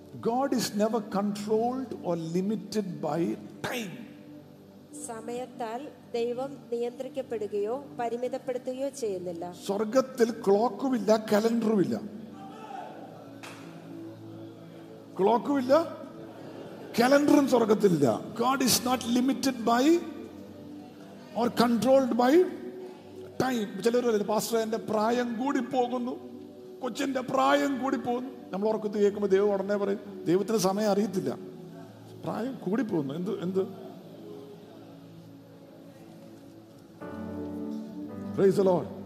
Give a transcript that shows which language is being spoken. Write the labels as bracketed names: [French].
[English] God is never controlled or limited by time. [Malayalam] സമയത്താൽ ദൈവം നിയന്ത്രിക്കപ്പെടുകയോ പരിമിതപ്പെടുത്തുകയോ ചെയ്യുന്നില്ല. സ്വർഗത്തിൽ ക്ലോക്കുമില്ല, കലണ്ടറുമില്ല. ക്ലോക്കുമില്ല, കലണ്ടറും സ്വർഗത്തിലില്ല. [English] God is not limited by or controlled by time. [Malayalam] ചിലരല്ലേ pastor എന്റെ പ്രായം കൂടി പോകുന്നു, കൊച്ചിന്റെ പ്രായം കൂടി പോകുന്നു. നമ്മൾ ഉറക്കത്ത് കേൾക്കുമ്പോൾ ദൈവം ഉടനെ പറയും, ദൈവത്തിന് സമയം അറിയത്തില്ല, പ്രായം കൂടി പോകുന്നു. എന്ത് എന്ത് [English] Praise the Lord.